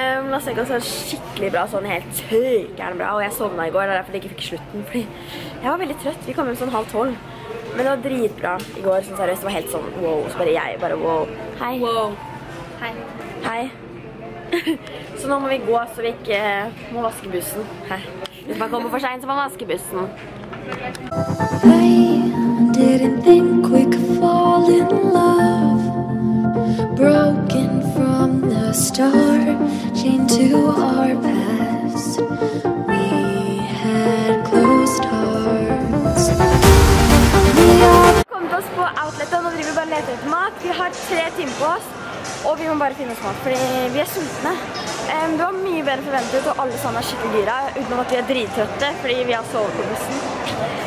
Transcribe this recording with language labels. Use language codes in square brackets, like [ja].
[no] Las Vegas er skikkelig bra, sånn helt tøykerne bra, og jeg sovna i går, det er derfor jeg ikke fikk slutten, fordi jeg var veldig trøtt, vi kom hjem sånn 11:30. Men det var dritbra i går, sånn seriøst, det var helt sånn wow, så bare jeg, bare wow. Hei. Wow. Hei. Hei. Så nå må vi gå, så vi ikke må vaske bussen. Hvis man kommer for sent, så må man vaske bussen. [en] I didn't think we could fall in love. Broken from the start, chained to our past. We had closed hearts. [no] Vi har kommet oss på outletet, og nå driver vi bare leter etter mat. Vi har 3 timer på oss. Og vi må bare finne oss mat, fordi vi er sultne. Det var mye bedre forventet, og alle sammen er skikkelig gira, utenom at vi er drittrøtte, fordi vi har sovet på bussen.